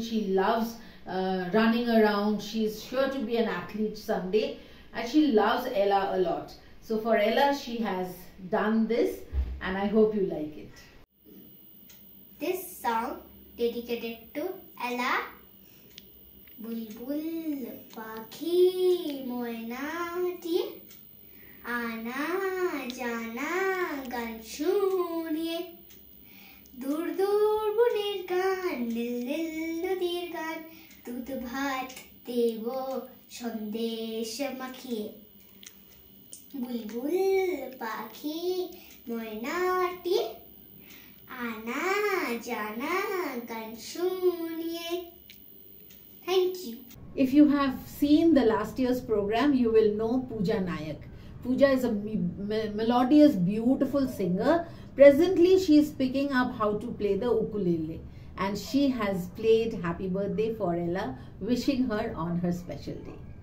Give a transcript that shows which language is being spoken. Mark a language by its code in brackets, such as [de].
[en] She loves running around. She is sure to be an athlete someday and she loves Ella a lot. So for Ella, she has done this and I hope you like it. This song dedicated to Ella. [bn] বুলবুল পাখি ময়নাটি আনা জানা গান শুনিয়ে দূর দূর বনের গান নীল নীল নদীর গান দুধ ভাত দেব সন্দেশ মাখিয়ে বুলবুল পাখি ময়নাটি আনা জানা গান শুনিয়ে [en] Thank you. If you have seen the last year's program, you will know Pooja Nayak. Pooja is a melodious, beautiful singer. Presently, she is picking up how to play the ukulele. And she has played Happy Birthday for Ella, wishing her on her special day.